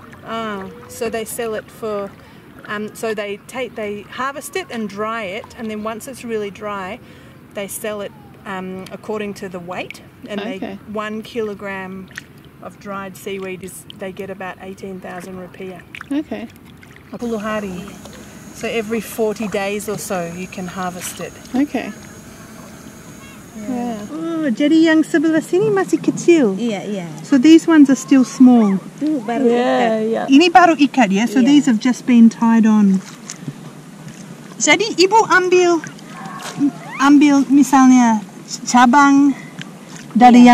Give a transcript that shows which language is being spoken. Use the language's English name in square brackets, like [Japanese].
[English] Ah, so they sell it for, so they harvest it and dry it, and then once it's really dry, they sell it according to the weight, and okay. they 1 kilogram of dried seaweed is they get about 18,000 rupiah. Okay. [Indonesian] A puluhari. [English] So every 40 days or so you can harvest it. Okay. Yeah. [Indonesian] Oh, jadi yang sebelah sini masih kecil. [English] Yeah, yeah. So these ones are still small. [Indonesian] Baru [English] yeah, [Indonesian] ikat. [English] Yeah. [Indonesian] Ini baru ikat, yeah? So yeah. [English] these have just been tied on. [Indonesian] Jadi ibu ambil misalnya cabang dari yeah.